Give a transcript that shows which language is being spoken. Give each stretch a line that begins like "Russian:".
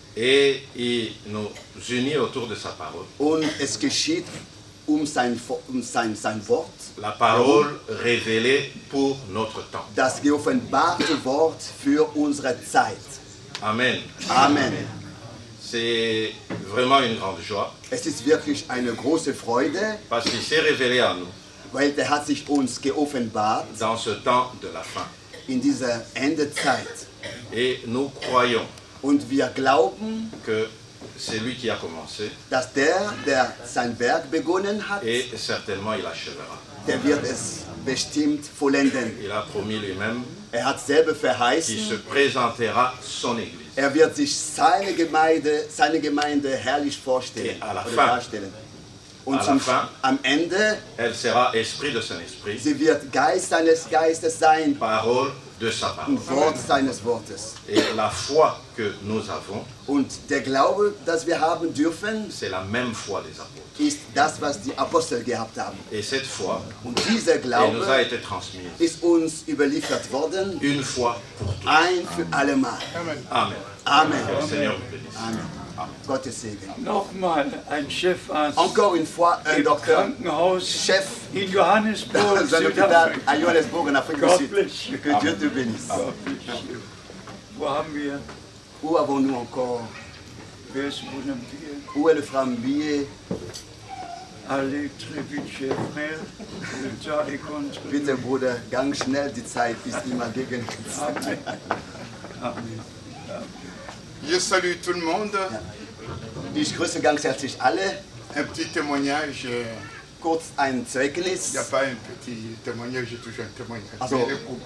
French: et il nous unit autour de sa parole,
German: und es geschieht sein Wort,
French: la parole révélée pour notre temps,
German: das geoffenbarte Wort für unsere Zeit. Amen. Amen.
French: C'est vraiment une grande joie.
German: Es ist wirklich eine große Freude.
French: Parce qu'il s'est révélé à nous.
German: Weil der hat sich uns geoffenbart.
French: Dans ce temps de la fin.
German: In dieser Endezeit.
French: Et nous croyons.
German: Und wir glauben.
French: Que c'est lui qui a commencé.
German: Dass der sein Werk begonnen hat.
French: Et certainement il achèvera.
German: Der wird es bestimmt vollenden.
French: Il a promis lui-même.
German: Er hat selber verheißen.
French: Qu'il se présentera son Église.
German: Er wird sich seine Gemeinde herrlich vorstellen oder darstellen. Und zum
French: fin,
German: am Ende
French: elle sera esprit de son esprit,
German: sie wird Geist seines Geistes sein.
French: Parole de sa parole.
German: Und Wort seines Wortes.
French: Et la foi que nous avons,
German: und der Glaube, dass wir haben dürfen,
French: c'est la même foi des apôtres,
German: ist das, was die Apostel gehabt haben.
French: Et cette foi,
German: und dieser Glaube
French: nous a été transmis,
German: ist uns überliefert worden.
French: Une fois pour tous.
German: Ein für alle Mal. Amen. Amen. Amen. Gottes Segen. Nochmal ein Chefarzt.
French: Encore une fois, un docteur.
German: Krankenhaus. Chef. In Johannesburg.
French: Dans un hôpital à Johannesburg, en Afrique du Sud. Que Dieu te bénisse.
German: Wo haben wir?
French: Où avons-nous encore?
German: Wer ist Bruder Mbier?
French: Où est le frère Mbier? Allez très vite, cher frère. Le temps est contre.
German: Bitte, Bruder, gang schnell. Die Zeit ist immer gegen uns. Amen. Amen.
French: Je salue tout le monde.
German: Ja. Ich grüße ganz herzlich alle.
French: Un petit témoignage.
German: Kurz ein Zeugnis.
French: Il n'y a pas un petit témoignage, j'ai toujours un témoignage.